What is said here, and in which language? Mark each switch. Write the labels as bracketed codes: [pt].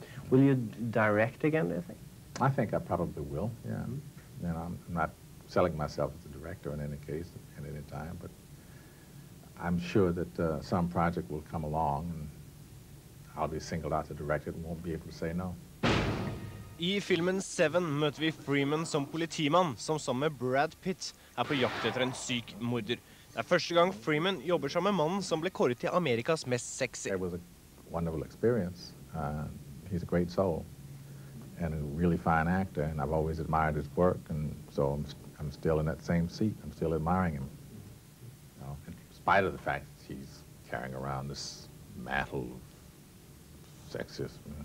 [en] Will you direct again, do you think? I think I probably will, yeah. Mm-hmm. You know, I'm not selling myself as a director in any case at any time, but I'm sure that some project will come along and I'll be singled out to direct it and won't be able to say no. [no] I filmen Seven møter vi Freeman som politimann, som sammen med Brad Pitt er på jakt etter en syk morder. Det er første gang Freeman jobber sammen med mannen som ble kåret til Amerikas mest sexy. [en] It was a wonderful experience. He's a great soul and a really fine actor, and I've always admired his work, and so I'm still in that same seat. I'm still admiring him, you know, in spite of the fact that he's carrying around this mantle of sexism.